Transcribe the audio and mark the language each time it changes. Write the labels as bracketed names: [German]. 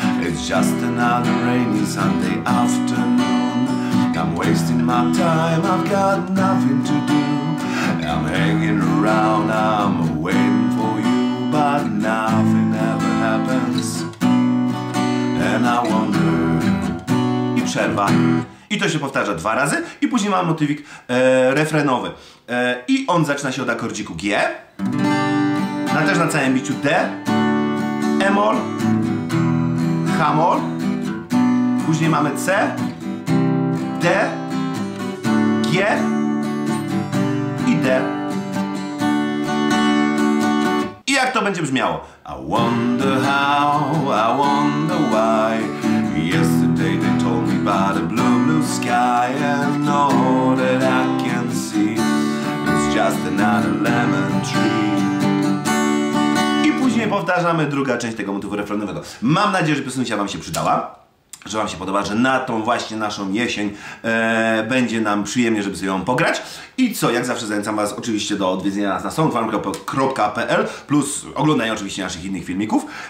[English] It's just another rainy Sunday afternoon. I'm wasting my time, I've got nothing to do. I'm hanging around, I'm waiting for you. But nothing ever happens. And I wonder. [Polish] I przerwa. I to się powtarza dwa razy. I później mamy motywik refrenowy. I on zaczyna się od akordziku G. Na też na całym biciu D, E-moll, H-moll, później mamy C, D, G i D. I jak to będzie brzmiało? [English] I wonder how, I wonder why. Yesterday they told me about a blue, blue sky. And all that I can see is just another lemon tree. [Polish] Później powtarzamy druga część tego motywu refrenowego. Mam nadzieję, że piosenka wam się przydała, że wam się podoba, że na tą właśnie naszą jesień będzie nam przyjemnie, żeby sobie ją pograć. I co, jak zawsze zachęcam was oczywiście do odwiedzenia nas na soundfarm.pl plus oglądania oczywiście naszych innych filmików.